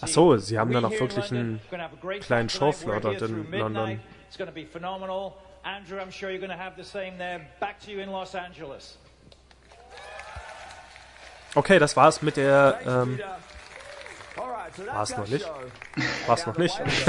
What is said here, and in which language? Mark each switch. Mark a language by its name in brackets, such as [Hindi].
[German] Ach so, sie haben da noch wirklich einen kleinen Showfloor dort in London. [English] It's going to be phenomenal. Andrew, I'm sure you're going to have the same there. Back to you in Los Angeles. [German] Okay, das war's mit der War's noch nicht.